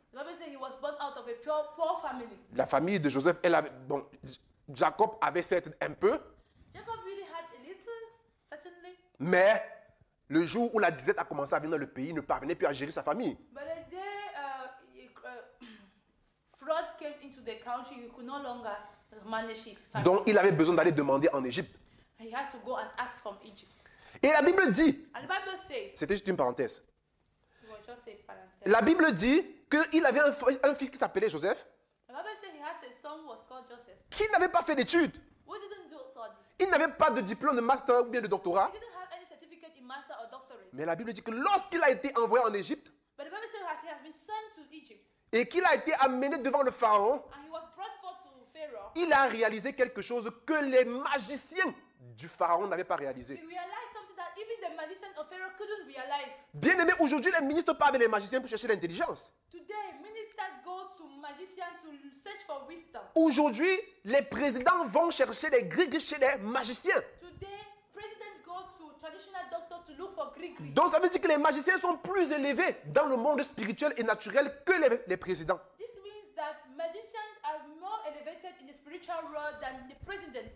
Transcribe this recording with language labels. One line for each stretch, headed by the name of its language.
English: The Bible says he was born out of a poor family.
French: La famille de Joseph, elle avait, bon, Jacob avait certes un peu.
English: Jacob really had a little, certainly.
French: Mais le jour où la disette a commencé à venir dans le pays, il ne parvenait plus à gérer sa famille.
English: But the day fraud came into the country, he could no longer manage his family.
French: Donc il avait besoin d'aller demander en Égypte.
English: He had to go and ask from Egypt.
French: Et la Bible dit,
English: the Bible says,
French: c'était juste une parenthèse. Parenthèse. La Bible dit qu'il avait un fils qui s'appelait Joseph,
English: the Bible said he had a son who was called Joseph.
French: Qui n'avait pas fait d'études. Il n'avait pas de diplôme de master ou bien de doctorat.
English: He didn't have any certificate in master or doctorate.
French: Mais la Bible dit que lorsqu'il a été envoyé en Égypte,
English: but the Bible says he has been sent to Egypt,
French: et qu'il a été amené devant le Pharaon,
English: and he was brought forth to Pharaoh,
French: il a réalisé quelque chose que les magiciens du Pharaon n'avaient pas réalisé.
English: Even the magician of Pharaoh couldn't realize.
French: Bien-aimé, aujourd'hui, les ministres parlent avec les magiciens pour chercher l'intelligence.
English: Today, ministers go to magicians to search for wisdom.
French: Aujourd'hui, les présidents vont chercher les grigues chez les magiciens.
English: Today, presidents traditional doctor to look for gris-gris.
French: Donc ça veut dire que les magiciens sont plus élevés dans le monde spirituel et naturel que les présidents.
English: This means that magicians are more elevated in the spiritual world than the president.